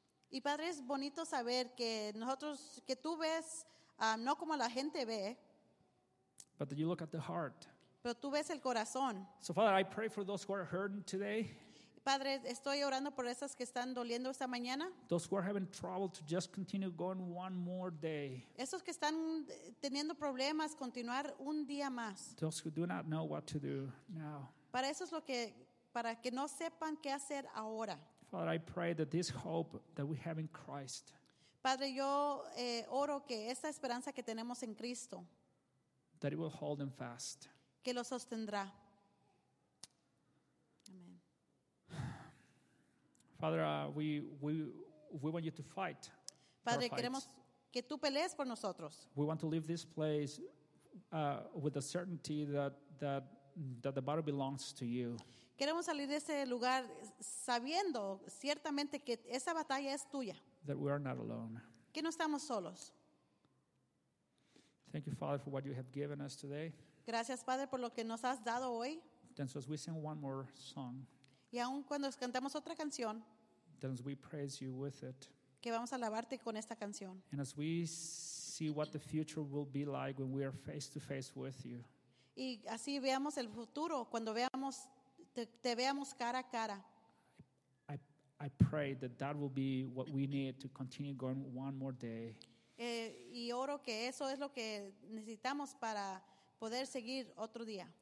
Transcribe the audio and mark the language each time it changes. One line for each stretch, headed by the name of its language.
Spanish: Y Padre, es bonito saber que nosotros, que tú ves no como la gente ve.
English: But that you look at the heart.
Spanish: Pero tú ves el corazón.
English: So Father, I pray for those who are hurting today.
Spanish: Padre, estoy orando por esas que están doliendo esta mañana.
English: Those who are having trouble to just continue going one more day.
Spanish: Esos que están teniendo problemas continuar un día más.
English: Those who do not know what to do now.
Spanish: Para eso es lo que para que no sepan qué hacer ahora.
English: Father, I pray that this hope that we have in Christ.
Spanish: Padre, yo oro que esta esperanza que tenemos en Cristo.
English: That it will hold them fast.
Spanish: Que lo sostendrá.
English: Amen. Father, we want you to fight.
Spanish: Padre, queremos que tú pelees por nosotros.
English: We want to leave this place with the certainty that the battle belongs to you.
Spanish: Queremos salir de ese lugar sabiendo ciertamente que esa batalla es tuya.
English: That we are not alone.
Spanish: Que no estamos solos.
English: Thank you, Father, for what you have given us today.
Spanish: Gracias, Padre, por lo que nos has dado hoy.
English: Then so as we sing one more song.
Spanish: Y aun cuando cantamos otra canción.
English: Then as we praise you with it.
Spanish: Que vamos a alabarte con esta canción.
English: And as we see what the future will be like when we are face to face with you.
Spanish: Y así veamos el futuro cuando veamos te veamos cara a cara.
English: I pray that will be what we need to continue going one more day.
Spanish: Y oro que eso es lo que necesitamos para poder seguir otro día.